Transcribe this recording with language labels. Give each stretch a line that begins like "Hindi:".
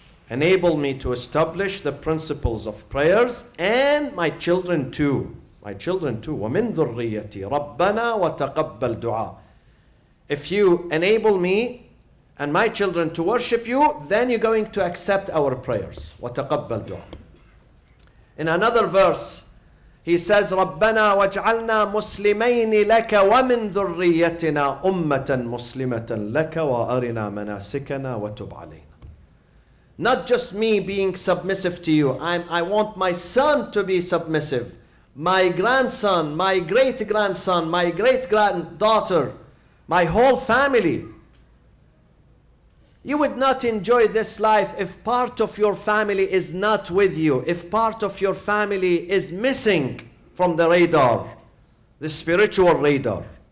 English: Enable me to establish the principles of prayers and my children too. My children too.
Arabic: وَمِن ذُرِّيَّتِي رَبَّنَا وَتَقَبَّلْ دُعَى.
English: If you enable me and my children to worship you, then you're going to accept our prayers.
Arabic: وَتَقَبَّلْ دُعَى.
English: In another verse, he says,
Arabic: رَبَّنَا وَاجْعَلْنَا مُسْلِمَيْنِ لَكَ وَمِن ذُرِّيَّتِنَا أُمَّةً مُسْلِمَةً لَكَ وَأَرِنَا مَنَاسِكَنَا وَتُبْ عَلَيْنَا.
English: Not just me being submissive to you. I want my son to be submissive. My grandson, my great-grandson, my great-granddaughter, my whole family. You would not enjoy this life if part of your family is not with you, if part of your family is missing from the radar, the spiritual radar.